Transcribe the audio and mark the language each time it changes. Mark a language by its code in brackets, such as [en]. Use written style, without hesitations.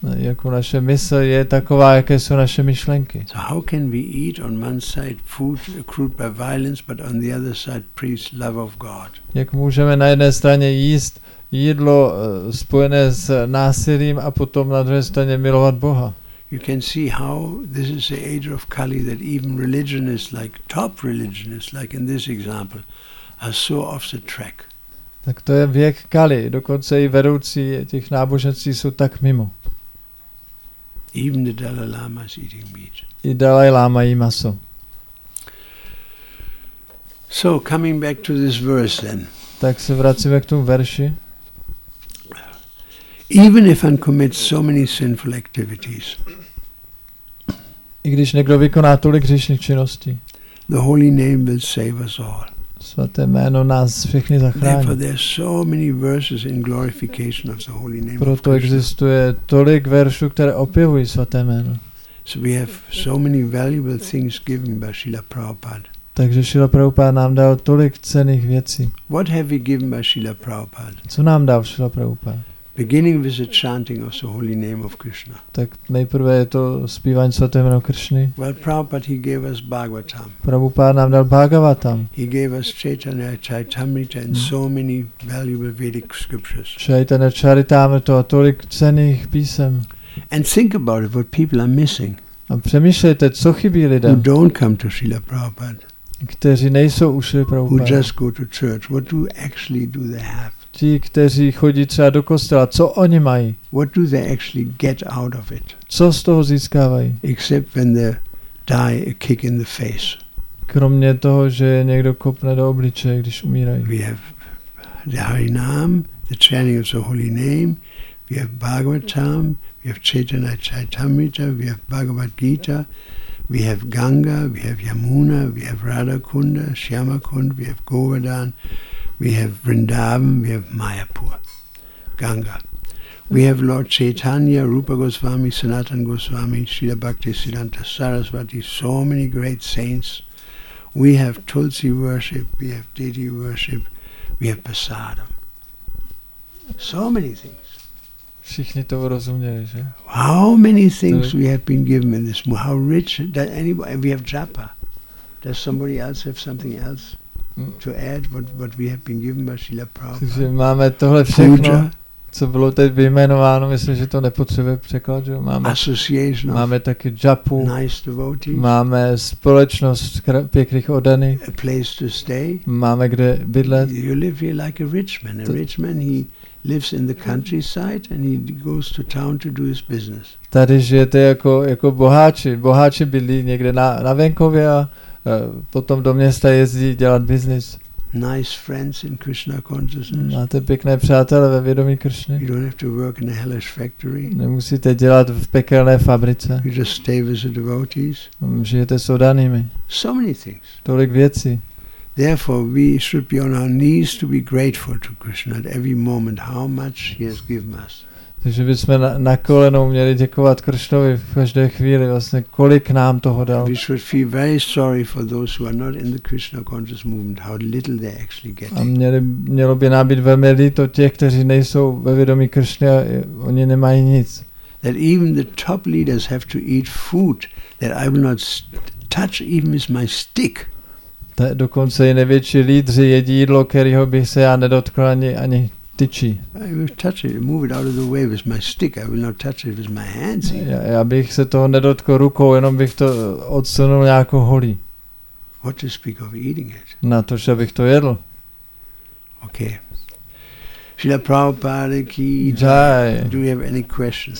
[cs] Jako naše mysl je taková, jaké jsou naše myšlenky. [en] So how can we eat on one side food accrued by violence, but on the other side preach love of God? [cs] Jak můžeme na jedné straně jíst jídlo spojené s násilím a potom na druhé straně milovat Boha? [en] You can see how this is the age of Kali, that even religionists, like top religionists, like in this example, are so off the track. [cs] Tak to je věk Kali, dokonce i vedoucí těch náboženství jsou tak mimo. [en] Even the Dalai Lama is eating meat. [cs] I Dalai Lama jí maso. [en] So coming back to this verse then. [cs] Tak se vracíme k tomu verši. [en] Even if one commits so many sinful activities. [cs] I když někdo vykoná tolik hříšných činností. [en] The holy name will save us all. [cs] Svaté jméno nás všechny zachrání. [en] Therefore there are so many verses in glorification of the holy name. [cs] Proto existuje tolik veršů, které opěvují svaté jméno. [en] So we have so many valuable things given by Srila Prabhupada. [cs] Takže Srila Prabhupada nám dal tolik cenných věcí. [en] What have we given by Srila Prabhupada? [cs] Co nám dal Srila Prabhupada? [en] Beginning with the chanting of the holy name of Krishna. [cs] Tak nejprve je to zpívání svatého jména Krishny. [en] Well, Prabhupada he gave us Bhagavatam. [cs] Prabhupada nám dal Bhagavatam. [en] He gave us Chaitanya Charitamrita and so many valuable Vedic scriptures. [cs] Chaitanya Charitamrita a tolik cenných písem. [en] And think about it, what people are missing. [cs] A přemýšlejte, co chybí lidem. [en] Who don't come to Srila Prabhupada. [cs] Kteří nejsou u Srila Prabhupada. [en] Who just go to church. What do actually do they have? [cs] Ti, kteří chodí třeba do kostela, co oni mají? [en] What do they actually get out of it? [cs] Co z toho získávají? [en] Except when they die a kick in the face. [cs] Kromě toho, že někdo kopne do obličeje, když umírají. [en] We have the Hari Nam, the chanting of the holy name. We have Bhagavatam. We have Chaitanya Charitamrita. We have Bhagavad Gita. We have Ganga. We have Yamuna. We have Radha Kunda, Shyama Kunda. We have Govardhan. We have Vrindavan, we have Mayapur, Ganga. We have Lord Chaitanya, Rupa Goswami, Sanatan Goswami, Srila Bhakti Siddhanta Saraswati, so many great saints. We have Tulsi worship, we have deity worship, we have Prasadam. So many things. [cs] Všichni to rozuměli, že? [en] How many things we have been given in this world? How rich that anybody, we have Japa. Does somebody else have something else? To add what we have been given by Srila Prabhupada. [cs] Takže máme tohle všechno, puja, co bylo teď vyjmenováno, myslím, že to nepotřebuje překlad, že máme, [en] association [cs] máme taky japu, [en] nice devotees, [cs] máme společnost pěkných oddaných, [en] a place to stay, [cs] máme kde bydlet. [en] You live here like a rich man. A rich man, he lives in the countryside and he goes to town to do his business. [cs] Tady žijete jako boháči. Boháči bydlí někde na venkově a potom do města jezdí dělat business. [en] Nice friends in Krishna consciousness. [cs] Máte pěkné přátelé ve vědomí Krishny. [en] You don't have to work in a hellish factory. [cs] Nemusíte dělat v pekelné fabrice. [en] You just stay with the devotees. [cs] Žijete s oddanými. [en] So many things. [cs] Tolik věcí. [en] Therefore we should be on our knees to be grateful to Krishna at every moment how much he has given us. [cs] Takže bychom na kolenou měli děkovat Krishnovi v každé chvíli, vlastně kolik nám toho dal. [en] We should feel very sorry for those who are not in the Krishna conscious movement, how little they actually get. [cs] A mělo by nám být velmi líto těch, kteří nejsou ve vědomí Krishny, oni nemají nic. [en] That even the top leaders have to eat food that I will not touch even with my stick. [cs] Dokonce i největší lídři jedí jídlo, kterého bych se já nedotkl ani tyčí. [en] I will touch it, move it out of the way with my stick. I will not touch it with my hands. [cs] Já bych se toho nedotkl rukou, jenom bych to odsunul nějakou holí. [en] What to speak of eating it? [cs] Na to, že bych to jedl. [en] Okay. Srila Prabhupada ki [hi] jai. [en] Do you have any questions?